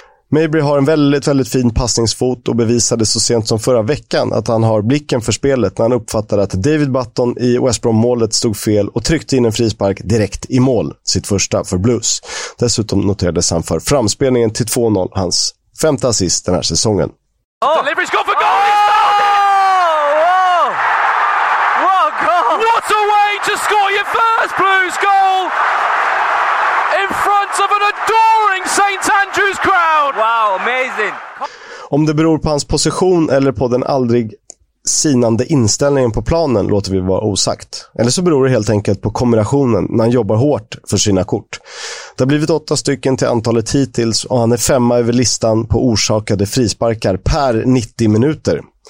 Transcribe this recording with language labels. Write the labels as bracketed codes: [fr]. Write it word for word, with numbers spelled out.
[sv] Mabry har en väldigt, väldigt fin passningsfot och bevisade så sent som förra veckan att han har blicken för spelet när han uppfattade att David Button i West Brom-målet stod fel och tryckte in en frispark direkt i mål, sitt första för Blues. Dessutom noterades han för framspelningen till två noll, hans femte assist den här säsongen. [en] Oh. Delivery's gone for goal! Oh! Oh! What a goal! What a way to score your first Blues goal! In front of an adoring Saint Andrews crowd! Wow, amazing! [sv] Om det beror på hans position eller på den aldrig sinande inställningen på planen låter vi vara osagt. Eller så beror det helt enkelt på kombinationen när han jobbar hårt för sina kort. Det har blivit åtta stycken till antalet hittills och han är femma över listan på orsakade frisparkar per nittio minuter.